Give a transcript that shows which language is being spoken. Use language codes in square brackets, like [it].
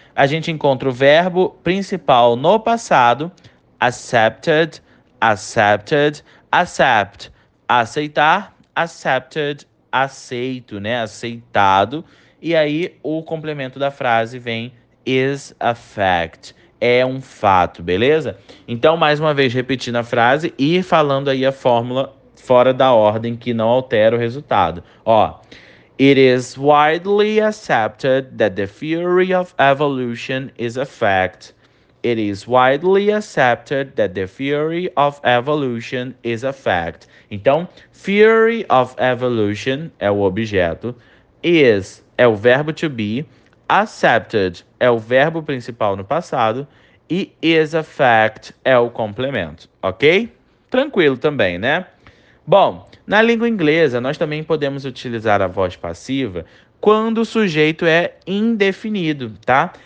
[pt] A gente encontra o verbo principal no passado, accepted, accepted, accept, aceitar, accepted, aceito, né? Aceitado. E aí o complemento da frase vem [en] is a fact. [pt] É um fato, beleza? Então, mais uma vez, repetindo a frase e falando aí a fórmula fora da ordem que não altera o resultado. Ó, [en] it is widely accepted that the theory of evolution is a fact. It is widely accepted that the theory of evolution is a fact. [pt] Então, theory of evolution é o objeto, is é o verbo to be, accepted é o verbo principal no passado. E [en] is a fact [pt] é o complemento, ok? Tranquilo também, né? Bom, na língua inglesa, nós também podemos utilizar a voz passiva quando o sujeito é indefinido, tá?